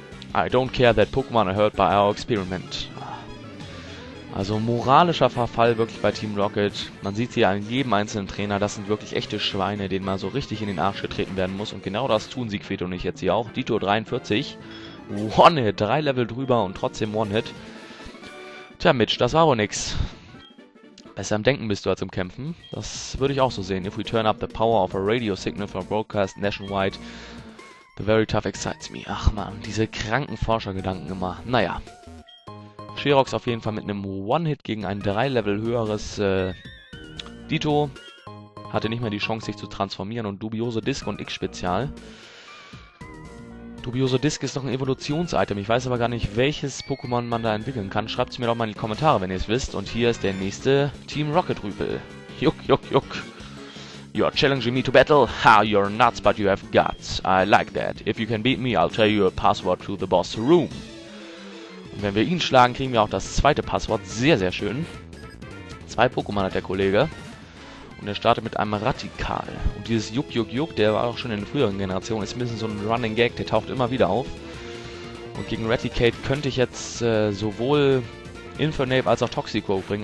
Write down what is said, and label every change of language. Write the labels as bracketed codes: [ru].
[en] I don't care that Pokémon are hurt by our experiment. [de] Also moralischer Verfall wirklich bei Team Rocket. Man sieht hier an jedem einzelnen Trainer, das sind wirklich echte Schweine, denen mal so richtig in den Arsch getreten werden muss. Und genau das tun Siegfried und ich jetzt hier auch. Ditto 43. One-Hit. Drei Level drüber und trotzdem One-Hit. Tja, Mitch, das war wohl nix. Besser im Denken bist du als im Kämpfen. Das würde ich auch so sehen. [en] If we turn up the power of a radio signal for broadcast nationwide, the very tough excites me. [de] Ach man, diese kranken Forschergedanken immer. Naja. Xerox auf jeden Fall mit einem One-Hit gegen ein 3-Level höheres Ditto. Hatte nicht mehr die Chance, sich zu transformieren. Und dubiose Disc und X-Spezial. Dubiose Disc ist noch ein Evolutions-Item. Ich weiß aber gar nicht, welches Pokémon man da entwickeln kann. Schreibt es mir doch mal in die Kommentare, wenn ihr es wisst. Und hier ist der nächste Team Rocket-Rüpel. [en] Juck, juck, juck. You're challenging me to battle. Ha, you're nuts, but you have guts. I like that. If you can beat me, I'll tell you a password to the boss room. [de] Und wenn wir ihn schlagen, kriegen wir auch das zweite Passwort. Sehr, sehr schön. Zwei Pokémon hat der Kollege. Und er startet mit einem Radikal. Und dieses Juck, Juck, Juck, der war auch schon in den früheren Generationen. Ist ein bisschen so ein Running Gag, der taucht immer wieder auf. Und gegen Raticate könnte ich jetzt sowohl Infernape als auch Toxicroak bringen.